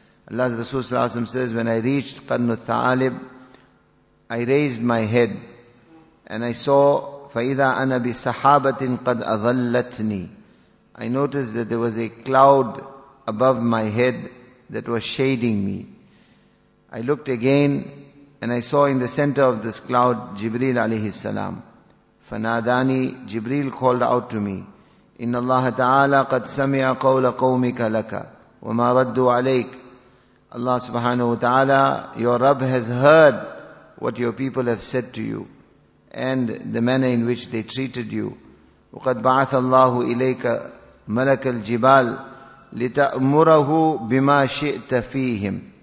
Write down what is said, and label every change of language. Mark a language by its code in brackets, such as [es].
[en] Allah's Rasul Sallallahu Alaihi Wasallam says, when I reached Qarn al-Tha'alib, I raised my head and I saw, [ar] فَإِذَا أَنَا بِسَحَابَةٍ قَدْ أَظَلَّتْنِي [en] I noticed that there was a cloud above my head that was shading me. I looked again, and I saw in the center of this cloud Jibreel alayhi salam. Fanadani, Jibreel called out to me, [ar] إن الله تعالى قد سمع قول قومك لك وما ردوا عليك. [en] Allah subhanahu wa ta'ala, your Rabb has heard what your people have said to you and the manner in which they treated you. [ar] وَقَدْ بَعَثَ اللَّهُ إِلَيْكَ مَلَكَ الْجِبَالِ لِتَأْمُرَهُ بِمَا شِئْتَ فِيهِمْ.